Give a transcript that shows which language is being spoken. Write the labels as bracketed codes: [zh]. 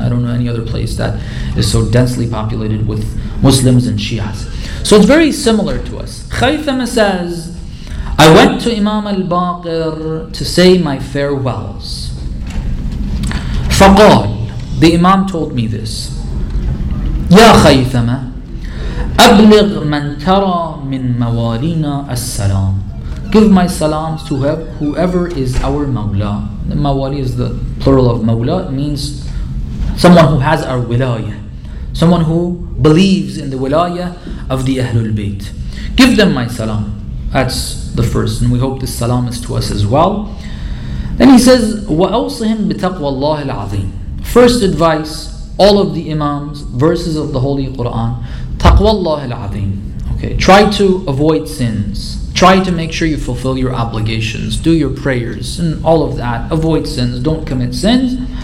[en] I don't know any other place that is so densely populated with Muslims and Shias. So it's very similar to us. Khaythama says, I went to Imam al-Baqir to say my farewells. Faqal, the Imam told me this. [ar] Ya Khaythama, أبلغ من ترى من موالينا السلام. [en] Give my salams to whoever is our mawla. Mawali is the plural of mawla. It means someone who has our wilayah. Someone who believes in the wilayah of the Ahlul Bayt. Give them my salam. That's the first. And we hope this salam is to us as well. Then he says, [ar] وَأَوْصِهِمْ بِتَقْوَى اللَّهِ الْعَظِيمِ. [en] First advice, all of the imams, verses of the Holy Quran, [ar] تَقْوَى اللَّهِ الْعَظِيمِ. [en] Okay, try to avoid sins. Try to make sure you fulfill your obligations. Do your prayers and all of that. Avoid sins. Don't commit sins.